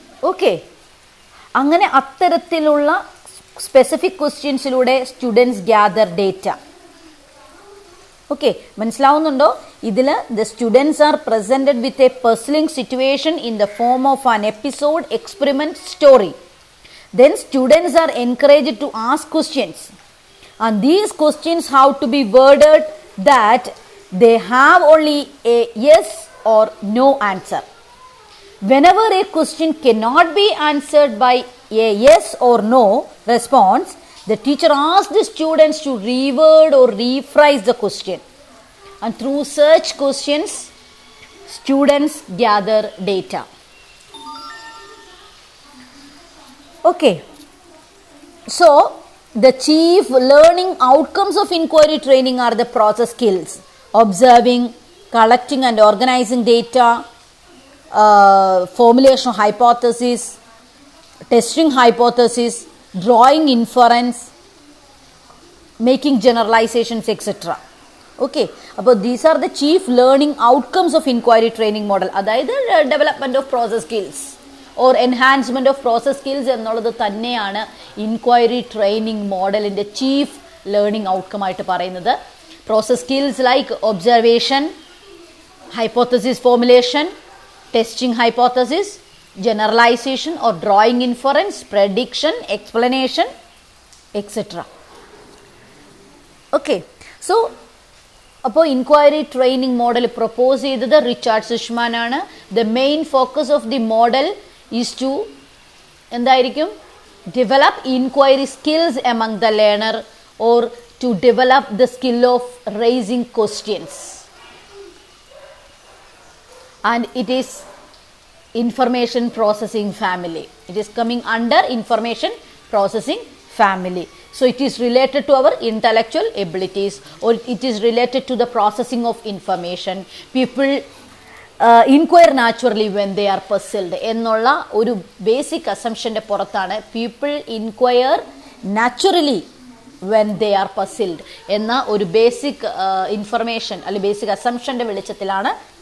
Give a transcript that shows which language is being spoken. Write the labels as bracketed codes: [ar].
[en] okay, [ml] അങ്ങനെ അത്തരത്തിലുള്ള [en] Specific ക്വസ്റ്റ്യൻസിലൂടെ students gather data. Okay, [ml] മനസ്സിലാവുന്നുണ്ടോ? [en] ഇതിൽ the students are presented with a personal situation in the form of an episode experiment story. Then students are encourage to ask questions. And these questions have to be worded that they have only a yes or no answer. Whenever a question cannot be answered by a yes or no response, the teacher asks the students to reword or rephrase the question. And through such questions, students gather data. Okay. So, the chief learning outcomes of inquiry training are the process skills, observing, collecting and organizing data, formulation of hypothesis, testing hypothesis, drawing inference, making generalizations, etc. Okay, but these are the chief learning outcomes of inquiry training model. That is the development of process skills. Or enhancement of process skills [ml] എന്നുള്ളത് തന്നെയാണ് [en] inquiry training മോഡലിൻ്റെ chief learning outcome [ml] ആയിട്ട് പറയുന്നത്. [en] Process skills like observation, hypothesis formulation, testing hypothesis, generalisation or drawing inference, prediction, explanation, etcetera. [ml] Okay, so അപ്പോൾ inquiry training model propose ചെയ്തത് Richard സുഷ്മാൻ ആണ്. [en] The main focus of the model is to endayirikum develop inquiry skills among the learner or to develop the skill of raising questions, and it is information processing family. It is coming under information processing family. So it is related to our intellectual abilities, or it is related to the processing of information. People inquire naturally when they are puzzled [ml] എന്നുള്ള ഒരു basic അസംഷൻ്റെ പുറത്താണ് [en] people inquire naturally when they are puzzled [ml] എന്ന ഒരു basic information അല്ലെങ്കിൽ basic അസംഷൻ്റെ വെളിച്ചത്തിലാണ്